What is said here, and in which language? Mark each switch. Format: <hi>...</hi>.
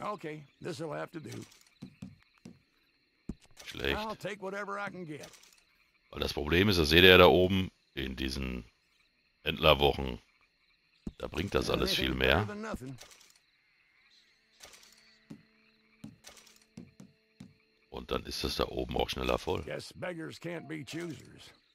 <en>Okay, this will have to do.</en> <de>Schlecht.</de> <en>I'll take whatever I can get.</en> <de>Weil das Problem ist, das seht ihr ja da oben in diesen Händlerwochen. Da bringt das alles viel mehr. Und dann ist das da oben auch schneller voll.</de> <en>Yes, beggars can't be choosers.</en>